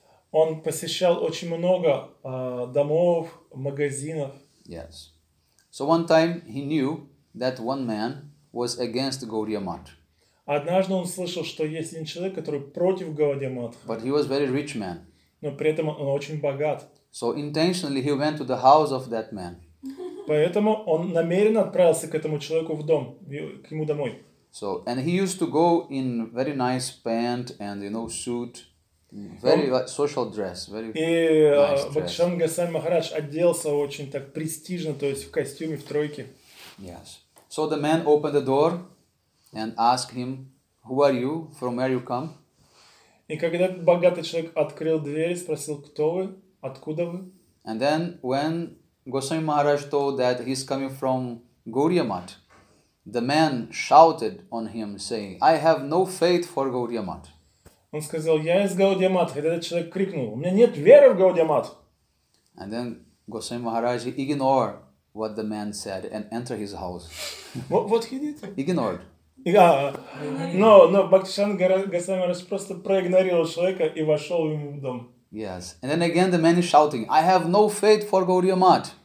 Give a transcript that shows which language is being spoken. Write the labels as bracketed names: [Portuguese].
[Russian] Он посещал очень много домов, магазинов. [English] Yes. So one time he knew that one man was against Gaudiya Math. [Russian] Однажды он слышал, что есть один человек, который против Гаудия Матха. [English] But he was very rich man. [Russian] Но при этом он очень богат. [English] So intentionally he went to the house of that man. [Russian] Поэтому он намеренно отправился к этому человеку в дом, к ему домой. [English] So, and he used to go in very nice pant and, you know, suit, very social dress, very nice dress. [Russian] И Бхакшан Гасами Махарадж оделся очень так престижно, то есть в костюме, в тройке. [English] Yes. So the man opened the door and asked him, who are you, from where you come? [Russian] И когда богатый человек открыл дверь, спросил, кто вы, откуда вы? [English] And then when Госвами Махарадж told that he's coming from Gaudiya Math, the man shouted on him, saying, "I have no faith for Gaudiya Math." [Russian] Он сказал, "Я из Gaudiya Math." Когда этот человек крикнул, "У меня нет веры в Gaudiya Math." [English] And then Госвами Махарадж ignored what the man said and entered his house. What he did? Ignored. Yeah. No. [Russian] Бхактишан Госвами Махарадж просто проигнорировал человека и вошел ему в дом. [English] Yes. And then again the man is shouting, "I have no faith for Gaudiya Math."